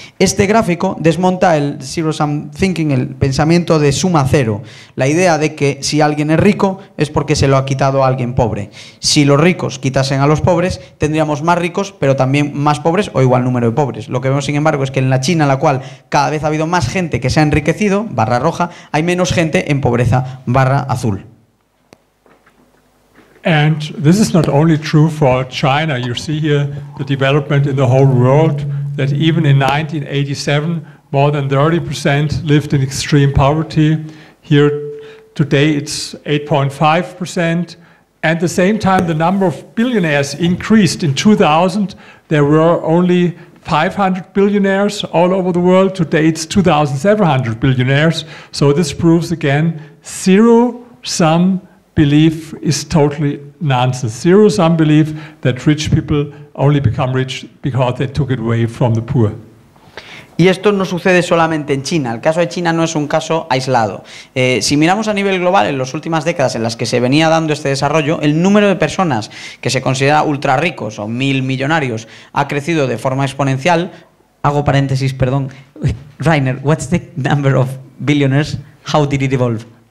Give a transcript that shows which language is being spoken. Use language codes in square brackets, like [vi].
[es] Este gráfico desmonta el zero-sum thinking, el pensamiento de suma cero, la idea de que si alguien es rico es porque se lo ha quitado a alguien pobre. Si los ricos quitasen a los pobres, tendríamos más ricos, pero también más pobres o igual número de pobres. Lo que vemos, sin embargo, es que en la China, en la cual cada vez ha habido más gente que se ha enriquecido, barra roja, hay menos gente en pobreza, barra azul. [en] And this is not only true for China. You see here the development in the whole world, that even in 1987, more than 30% lived in extreme poverty. Here today it's 8.5%. At the same time, the number of billionaires increased. In 2000, there were only 500 billionaires all over the world. Today it's 2,700 billionaires. So this proves again, zero sum belief is totally nonsense. Zero sum belief that rich people only become rich because they took it away from the poor. [es] Y esto no sucede solamente en China. El caso de China no es un caso aislado. Si miramos a nivel global, en las últimas décadas en las que se venía dando este desarrollo, el número de personas que se considera ultra ricos o mil millonarios ha crecido de forma exponencial. Hago paréntesis, perdón. [en] Rainer, what's the number of billionaires? How did it evolve?